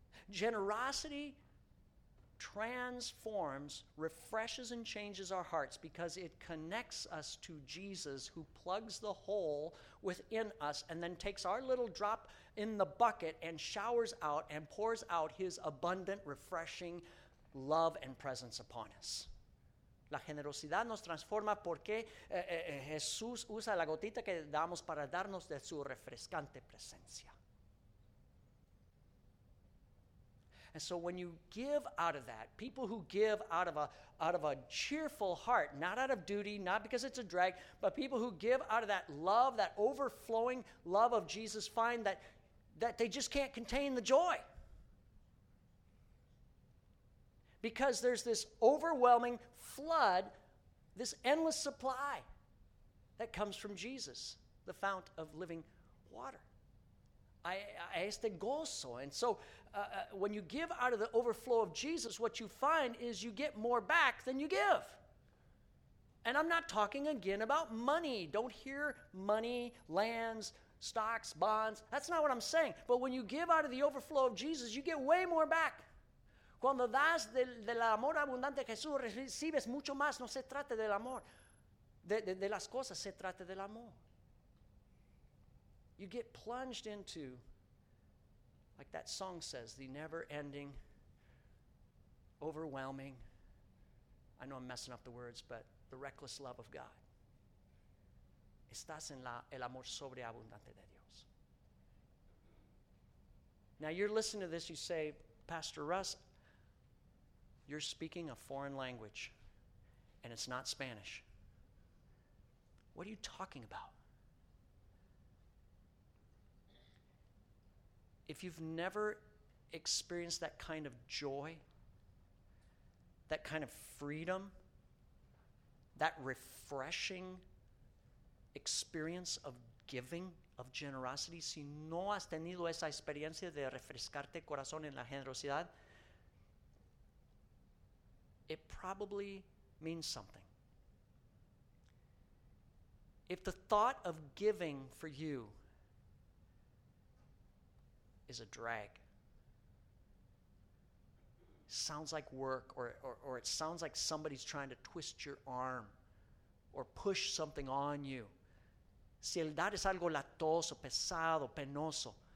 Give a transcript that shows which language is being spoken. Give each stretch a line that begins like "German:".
English: Generosity transforms, refreshes, and changes our hearts because it connects us to Jesus, who plugs the hole within us and then takes our little drop in the bucket and showers out and pours out his abundant, refreshing love and presence upon us.
Spanish: La generosidad nos transforma porque Jesús usa la gotita que damos para darnos de su refrescante presencia.
English: And so when you give out of that, people who give out of a cheerful heart, not out of duty, not because it's a drag, but people who give out of that love, that overflowing love of Jesus, find that they just can't contain the joy. Because there's this overwhelming flood, this endless supply that comes from Jesus, the fount of living water.
Spanish: Este gozo.
English: And so when you give out of the overflow of Jesus, what you find is you get more back than you give. And I'm not talking again about money. Don't hear money, lands, stocks, bonds. That's not what I'm saying. But when you give out of the overflow of Jesus, you get way more back.
Spanish: Cuando das del amor abundante de Jesús, recibes mucho más. No se trata del amor. De las cosas, se trata del amor.
English: You get plunged into, like that song says, the never-ending, overwhelming, I know I'm messing up the words, but the reckless love of God.
Spanish: Estás en el amor sobreabundante de Dios.
English: Now you're listening to this, you say, Pastor Russ, you're speaking a foreign language, and it's not Spanish. What are you talking about? If you've never experienced that kind of joy, that kind of freedom, that refreshing experience of giving, of generosity,
Spanish: si no has tenido esa experiencia de refrescarte corazón en la generosidad,
English: it probably means something. If the thought of giving for you is a drag, sounds like work, or it sounds like somebody's trying to twist your arm or push something on you.
Spanish: Si el dar es algo latoso, pesado, penoso,